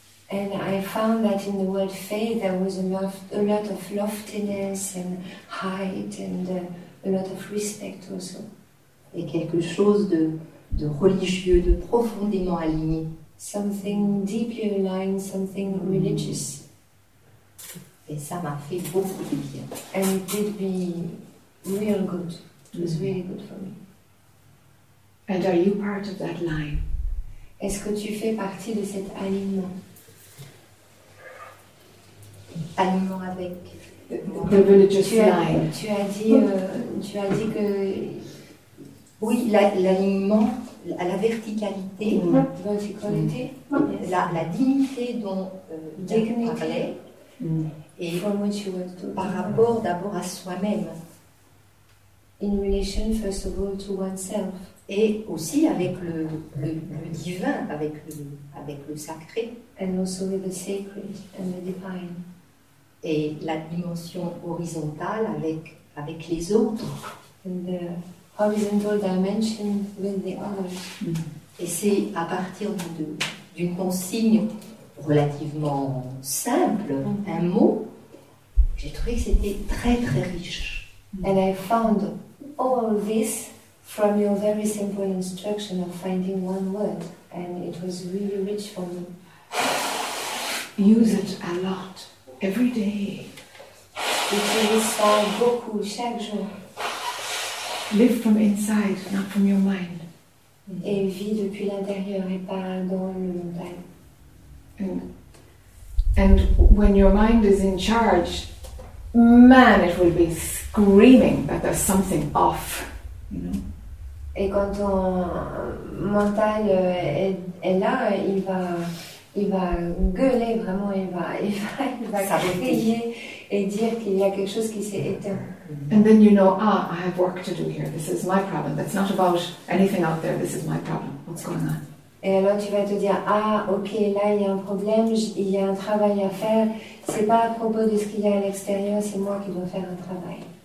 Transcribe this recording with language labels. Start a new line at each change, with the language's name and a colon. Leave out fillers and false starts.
English: And I found that in the word faith there was a lot of loftiness and height and a lot of respect also.
French: Et quelque chose de religieux, de profondément aligné.
English: Something deeply aligned, something religious.
French: Et ça m'a fait beaucoup de bien.
English: And it did me real good. It was really good for me. And are you part of that line?
French: Est-ce que tu fais partie de cet alignement? Alignement avec
English: the religious line.
French: Tu as dit que oui, l'alignement à la verticalité,
English: verticality,
French: la dignité dont tu parlais, et
English: from which you were talking,
French: par rapport d'abord à soi-même,
English: in relation first of all to oneself,
French: et aussi avec le divin, avec le sacré,
English: and also with the sacred and the divine.
French: Et la dimension horizontale avec les autres.
English: And the horizontal dimension with the others.
French: Et c'est à partir d'une consigne relativement simple, un mot, j'ai trouvé que c'était très très riche.
English: And I found all this from your very simple instruction of finding one word. And it was really rich for me. Use it a lot. Every day.
French: Utilise beaucoup chaque jour.
English: Live from inside, not from your mind.
French: Et vis depuis l'intérieur et pas dans le mental.
English: And when your mind is in charge, man, it will be screaming that there's something off. You know?
French: Et quand ton mental est là, il va gueuler vraiment, il va crier et dire qu'il y a quelque chose qui s'est éteint.
English: And then you know, I have work to do here. This is my problem. That's not about anything out there. This is my problem. What's going on?
French: Et alors tu vas te dire, ok, là il y a un problème, il y a un travail à faire. C'est pas à propos de ce qu'il y a à l'extérieur, c'est moi qui dois faire un travail.